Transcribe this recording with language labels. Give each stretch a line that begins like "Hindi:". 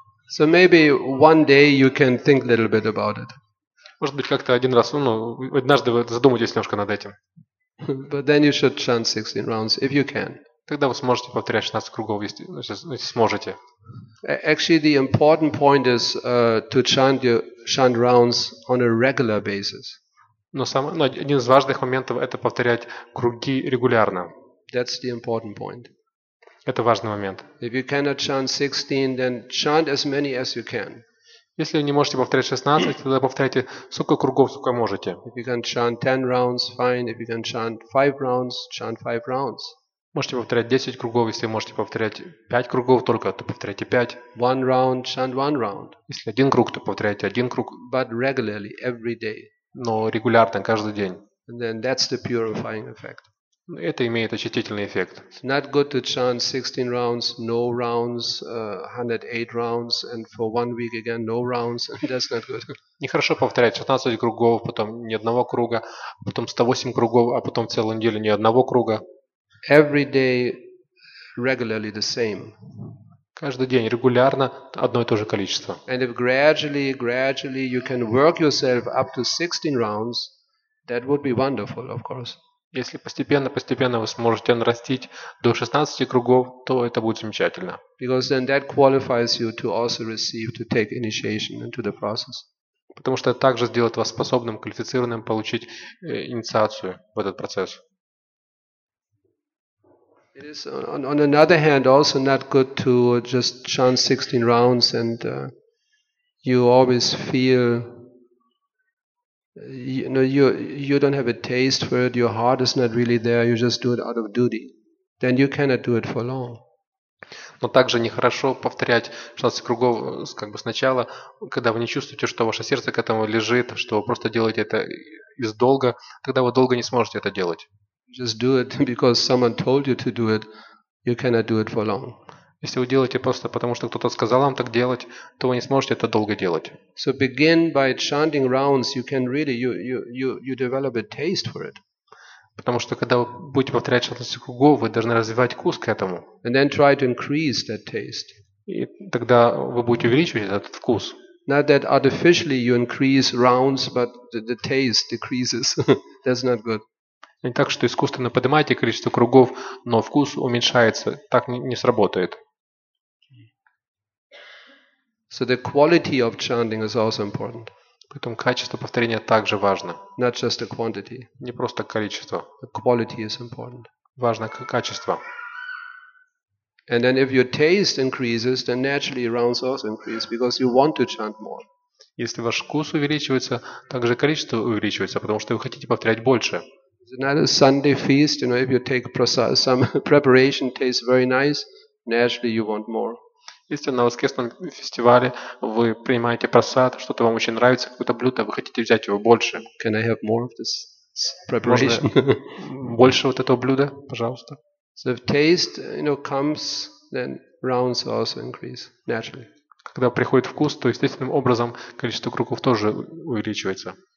English: So maybe one day you can think a little bit about it.
Russian: Может быть, как-то один раз, ну, однажды вы задумаетесь немножко над этим.
English: But then you should chant 16 rounds if you can.
Russian: Тогда вы сможете повторять 16 кругов, если сможете.
English: Actually, the important point is to chant your chant rounds on a regular basis.
Russian: Но один из важных моментов это повторять круги регулярно.
English: That's the important point.
Russian: Это важный момент.
English: If you cannot chant 16, then chant as many as you can.
Russian: Если вы не можете повторять 16, тогда повторяйте сколько кругов, сколько можете.
English: If you can chant 10 rounds, fine. If you can chant 5 rounds, chant 5 rounds.
Russian: Можете повторять 10 кругов, если можете повторять 5 кругов только, то повторяйте 5.
English: One round, chant one round.
Russian: Если один круг, то повторяйте один круг.
English: But regularly, every day.
Russian: Но регулярно, каждый день.
English: And then that's the purifying effect.
Russian: Это имеет очистительный эффект.
English: It's not good to chant 16 rounds, no rounds, 108 rounds, and for 1 week again no rounds. That's not good.
Russian: Нехорошо повторять 16 кругов, потом ни одного круга, потом 108 кругов, а потом целую неделю ни одного круга.
English: Every day regularly the same.
Russian: Каждый день регулярно одно и то же количество.
English: And if gradually you can work yourself up to 16 rounds, that would be wonderful, of course.
Russian: Если постепенно вы сможете нарастить до 16 кругов, то это будет замечательно.
English: Because then that qualifies you to also receive, to take initiation into the process.
Russian: Потому что это также сделает вас способным, квалифицированным получить инициацию в этот процесс.
English: It is on another hand also not good to just chant 16 rounds and you always feel you know, you don't have a taste for it, your heart is not really there, you just do it out of duty. Then you cannot do it for long.
Russian: Но также нехорошо повторять 16 кругов как бы сначала, когда вы не чувствуете, что ваше сердце к этому лежит, что вы просто делаете это из долга, тогда вы долго не сможете это делать.
English: Just do it because someone told you to do it, you cannot do it for long.
Russian: Если вы делаете просто потому, что кто-то сказал вам так делать, то вы не сможете это долго делать.
English: So begin by chanting rounds, you can really, you develop a taste for it.
Russian: Потому что когда вы будете повторять чувственность хугу, вы должны развивать вкус к этому.
English: And then try to increase that taste.
Russian: И тогда вы будете увеличивать этот вкус.
English: Not that artificially you increase rounds, but the taste decreases. That's not good.
Russian: Не так, что искусственно поднимаете количество кругов, но вкус уменьшается. Так не сработает.
English: So the quality of chanting is also important.
Russian: Поэтому качество повторения также важно.
English: Not just the quantity.
Russian: Не просто количество.
English: The quality is important.
Russian: Важно качество.
English: And then if your taste increases, then naturally rounds also increase because you want to chant more.
Russian: Если ваш вкус увеличивается, также количество увеличивается, потому что вы хотите повторять больше.
English: It's not a Sunday feast, you know, if you take some preparation tastes very nice, naturally you want more.
Russian: Если на воскресном фестивале вы принимаете просад, что-то вам очень нравится, какое-то блюдо, вы хотите взять его больше.
English: Can I have more of this preparation?
Russian: Больше вот этого блюда, пожалуйста.
English: So if taste, you know, comes, then rounds also increase naturally.
Russian: Когда приходит вкус, то естественным образом количество кругов тоже увеличивается.